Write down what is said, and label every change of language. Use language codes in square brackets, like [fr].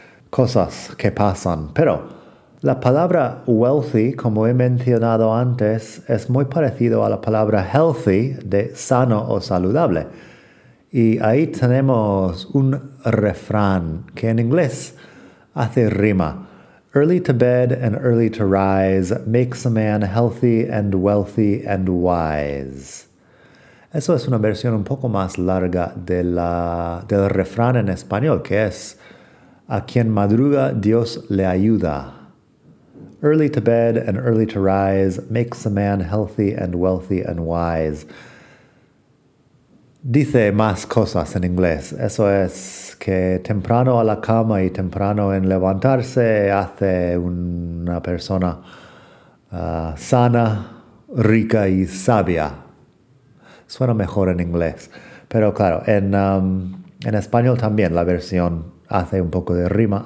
[es] Cosas que pasan, pero la palabra wealthy, como he mencionado antes, es muy parecido a la palabra healthy, de sano o saludable. Y ahí tenemos un refrán que en inglés hace rima. [en] Early to bed and early to rise makes a man healthy and wealthy and wise. [es] Eso es una versión un poco más larga de del refrán en español, que es a quien madruga, Dios le ayuda. [en] Early to bed and early to rise makes a man healthy and wealthy and wise. [es] Dice más cosas en inglés. Eso es que temprano a la cama y temprano en levantarse hace una persona sana, rica y sabia. Suena mejor en inglés. Pero claro, en español también la versión hace un poco de rima.